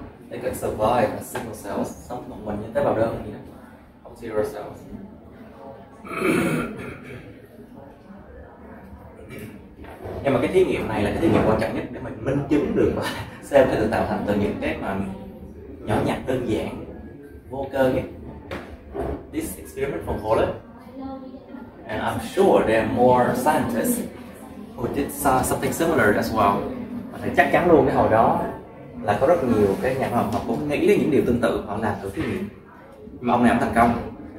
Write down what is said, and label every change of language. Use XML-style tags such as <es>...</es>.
<en>They can survive as single cells,</en> <vi>sống một mình như tế bào đơn vậy đó.</vi> <en>Bacteria cells.</en> <vi>Nhưng mà cái thí nghiệm này là cái thí nghiệm quan trọng nhất để mình minh chứng được mà cell có thể tạo thành từ những cái mà nhỏ nhặt đơn giản vô cơ nhé.</vi> <en>This experiment from Holland, and I'm sure there are more scientists who did something similar as well.</en> <vi>Thì chắc chắn luôn cái hồi đó là có rất nhiều cái nhà khoa học cũng nghĩ đến những điều tương tự, họ làm thử thí nghiệm mà ông này cũng thành công.</vi>